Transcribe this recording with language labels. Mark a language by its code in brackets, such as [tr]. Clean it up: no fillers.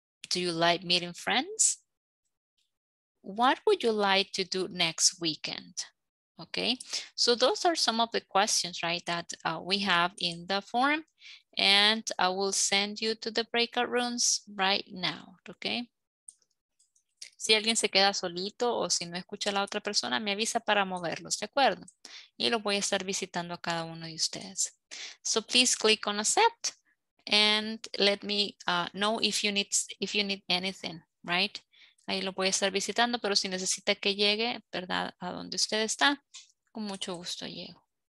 [en] Do you like meeting friends? What would you like to do next weekend? Okay, so those are some of the questions, right, that we have in the form, and I will send you to the breakout rooms right now. [es] Okay, si alguien se queda solito o si no escucha a la otra persona, me avisa para moverlos, de acuerdo, y lo voy a estar visitando a cada uno de ustedes. [en] So please click on accept and let me know if you need anything, right? [es] Ahí lo voy a estar visitando, pero si necesita que llegue, ¿verdad? A donde usted está, con mucho gusto llego.